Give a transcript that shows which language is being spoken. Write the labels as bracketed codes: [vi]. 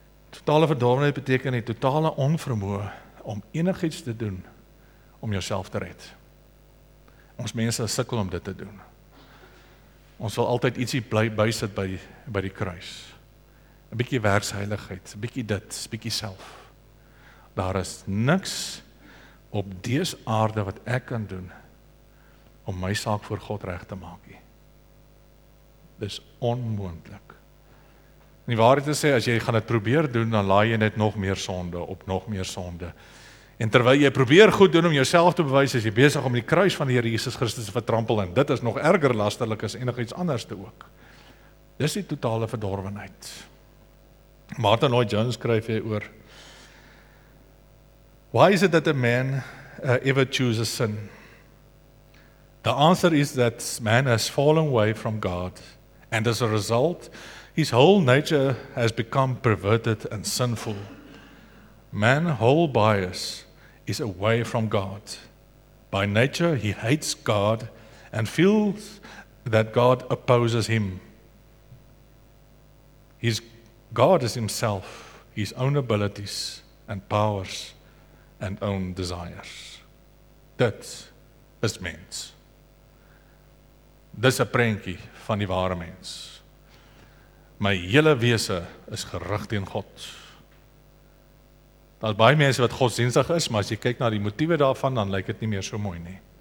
[af] Totale verdorwenheid beteken die totale onvermoë om enigiets te doen om jouself te red. Ons mense sukkel om dit te doen. Ons wil altyd ietsie bysit by die kruis. 'N bietjie werksheiligheid, 'n bietjie dit, 'n bietjie self. Daar is niks op dese aarde wat ek kan doen om my saak voor God reg te maak nie. Dis onmoontlik. En die waarheid is, as jy gaan dit probeer doen, dan laai jy net nog meer sonde op nog meer sonde. En terwyl jy probeer goed doen om jouself te bewys, is jy besig om die kruis van die Here Jesus Christus te vertrampel en dit is nog erger lasterlik as enigiets anders te ook. Dis die totale verdorwenheid. Martin Lloyd-Jones skryf hy oor [en] Why is it that a man ever chooses sin? The answer is that man has fallen away from God and as a result, his whole nature has become perverted and sinful. Man's whole bias is away from God. By nature, he hates God and feels that God opposes him. His God is himself, his own abilities and powers and own desires. [af] Dit is mens. Dis 'n prentjie van die ware mens. My hele wese is gerig teen God. Daar is baie mense wat godsdienstig is, maar as jy kyk na die motiewe daarvan, dan lyk dit nie meer so mooi nie.